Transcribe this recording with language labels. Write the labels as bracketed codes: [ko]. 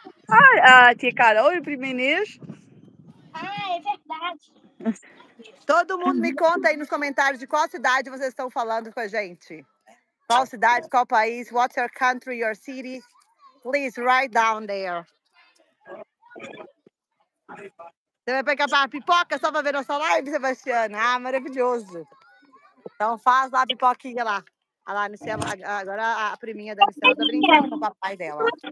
[pt] Ai, a tia Carol e o Primeiro-Ministro. Ah, é verdade. Todo mundo me conta aí nos comentários de qual cidade vocês estão falando com a gente. Qual cidade, qual país, [en] what's your country, your city? Please, write down there. [pt] Você vai pegar uma pipoca só para ver nossa live, Sebastiana? Ah, maravilhoso. Então faz lá a pipoquinha lá. Lá no céu, agora a priminha da Luciana está brincando com o papai dela.